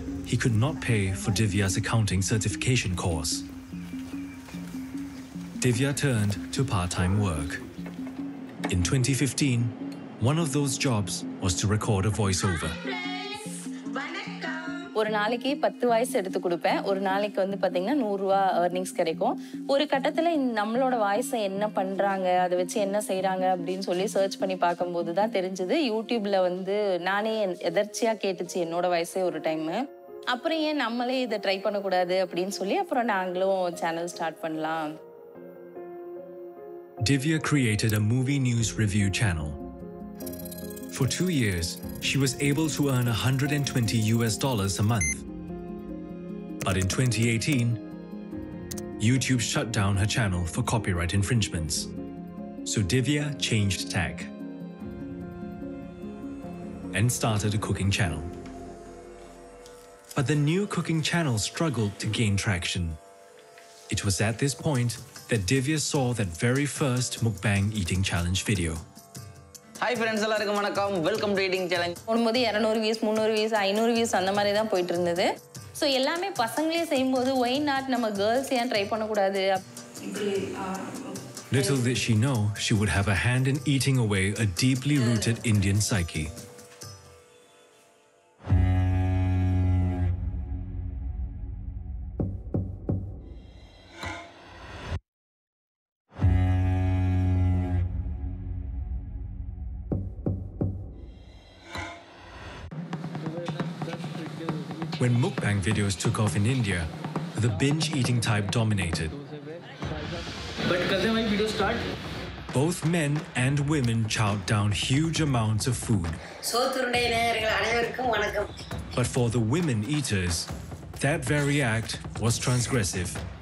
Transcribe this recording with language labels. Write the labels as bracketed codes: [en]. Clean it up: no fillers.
[en] He could not pay for Divya's accounting certification course. Divya turned to part-time work. In 2015, one of those jobs was to record a voiceover. [ta] ஒரு நாளைக்கு 10 voice எடுத்து கொடுப்பேன் ஒரு நாளைக்கு வந்து பாத்தீங்கன்னா 100 ரூபாய் earnings கிடைக்கும் ஒரு கட்டத்துல நம்மளோட வாய்ஸ் என்ன பண்றாங்க அதை வச்சு என்ன செய்றாங்க அப்படினு சொல்லி சர்ச் பண்ணி பாக்கும்போது தான் தெரிஞ்சது யூடியூப்ல வந்து நானே எதர்ச்சியா கேட்டுச்சு என்னோட வாய்ஸே ஒரு டைம் அப்புறம் ஏன் நம்மளே இத ட்ரை பண்ண கூடாது அப்படினு சொல்லி அப்புறம் நாங்களும் சேனல் ஸ்டார்ட் பண்ணலாம் [en] Divya created a movie news review channel For 2 years, she was able to earn $120 a month. But in 2018, YouTube shut down her channel for copyright infringements. So Divya changed tack and started a cooking channel. But the new cooking channel struggled to gain traction. It was at this point that Divya saw that very first mukbang eating challenge video. [ta] Hi friends எல்லாருக்கும் வணக்கம் welcome reading challenge போகும்போது 200 views 300 views 500 views அந்த மாதிரி தான் போயிட்டு இருந்தது so எல்லாமே பசங்களே செய்யும்போது ஒய் நாட் நம்ம கேர்ள்ஸ் ஏன் ட்ரை பண்ணக்கூடாது [en] Little did she know, she would have a hand in eating away a deeply rooted Indian psyche. When mukbang videos took off in India, the binge eating type dominated. [hi] But kaise bhai video start? [en] Both men and women chowed down huge amounts of food. [ta] சோத்துருடைய நேயர்கள் அனைவருக்கும் வணக்கம். [en] But for the women eaters, that very act was transgressive.